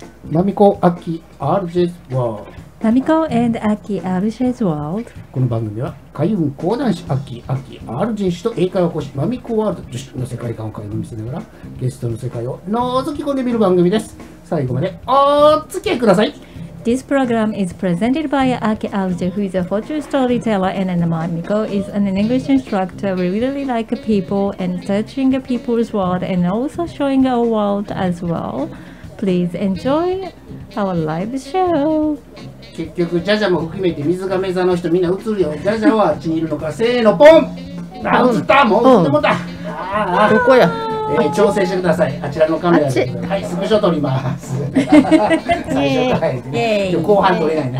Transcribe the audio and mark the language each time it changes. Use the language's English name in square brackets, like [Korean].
[Japanese] ナミコアキアルジェスワールド。ナミコアンドアキアルジェスワールド。この番組は海運講談師アキアキアルジェスと英会話講師ナミコワールド女子の世界観を垣間見せながらゲストの世界を覗き込んでみる番組です。最後までお付き合いください。 [English] This program is presented by Aki Alger, who is a fortune storyteller, and Namiko is an English instructor. We really like people and searching people's world and also showing our world as well. Please enjoy our live show. [Japanese] 結局ジャジャも含めて水亀座の人みんな映るよ。ジャジャはあっちにいるのか。せーのポン。あ、映った。もう映ってもた。あ、どこや。調整してください。あちらのカメラで、はい、スクショ撮ります。最初と、はい、後半撮れないね。